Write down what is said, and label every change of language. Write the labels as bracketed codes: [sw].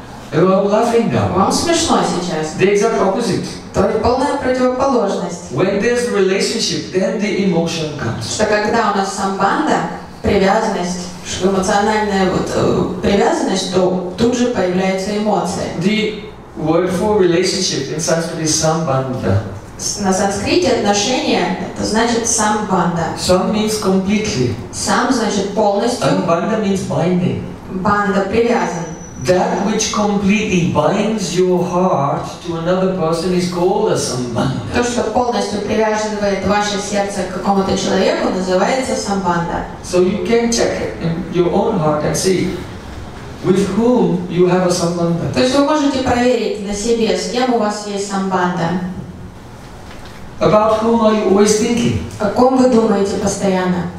[en] You are laughing now. [ru] Вам смешно сейчас. [en] The exact opposite. [ru] То есть полная противоположность. [en] When there's relationship, then the emotion comes. [ru] Что когда у нас самбанда, привязанность, что эмоциональная вот привязанность, то тут же появляются эмоции. [en] The word for relationship in Sanskrit is sambandha. [ru] На санскрите отношения это значит самбанда. [en] Sam means completely. [ru] Сам значит полностью. [en] And banda means binding. [ru] Банда привязан. [en] That which completely binds your heart to another person is called a sambandha. [ru] То, что полностью привязывает ваше сердце к какому-то человеку, называется самбанда. [en] So you can check it in your own heart and see with whom you have a sambandha. [ru] То есть вы можете проверить на себе, с кем у вас есть самбанда. [en] About whom are you always thinking? [ru] О ком вы думаете постоянно?